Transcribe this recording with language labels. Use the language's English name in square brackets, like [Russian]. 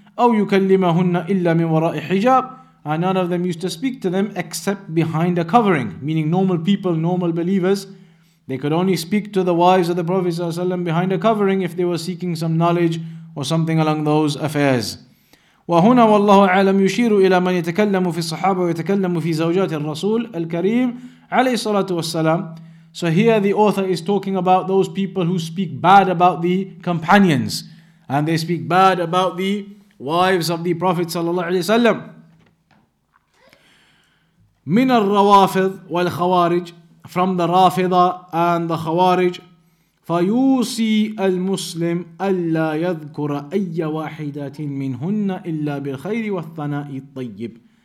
[Arabic] أَوْ يُكَلِّمَهُنَّ إِلَّا مِنْ وَرَاءِ حِجَابٍ [English] And none of them used to speak to them except behind a covering. Meaning normal people, normal believers, they could only speak to the wives of the Prophet ﷺ behind a covering if they were seeking some knowledge or something along those affairs. [Arabic] وهنا والله أعلم يشير إلى من يتكلم في الصحابة ويتكلم في زوجات الرسول الكريم عليه الصلاة والسلام. [English] So here the author is talking about those people who speak bad about the companions and they speak bad about the wives of the Prophet صلى الله عليه وسلم. [Arabic] من الروافض والخوارج from the رافضة and the خوارج فَيُوصِي الْمُسْلِمْ أَلَّا يَذْكُرَ أَيَّ وَاحِدَةٍ مِّنْهُنَّ إِلَّا بِالْخَيْرِ وَالثَّنَاءِ الطَّيِّبِ